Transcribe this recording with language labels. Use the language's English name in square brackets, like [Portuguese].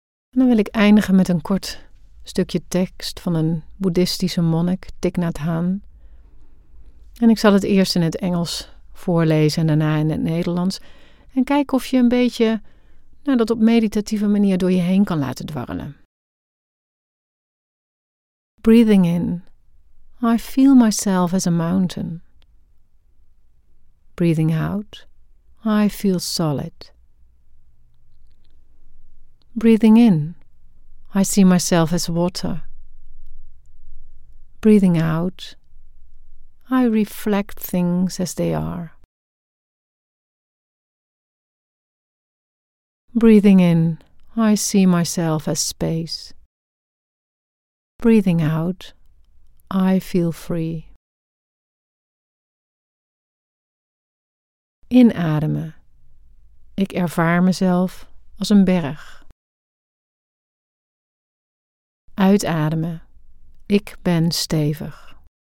[Dutch] En dan wil ik eindigen met een kort stukje tekst van een boeddhistische monnik, Thich Nhat Hanh. En ik zal het eerst in het Engels voorlezen en daarna in het Nederlands. En kijk of je een beetje dat op meditatieve manier door je heen kan laten dwarrelen. [English] Breathing in, I feel myself as a mountain. Breathing out, I feel solid. Breathing in, I see myself as water. Breathing out, I reflect things as they are. Breathing in, I see myself as space. Breathing out, I feel free. [Dutch] Inademen, ik ervaar mezelf als een berg. Uitademen. Ik ben stevig.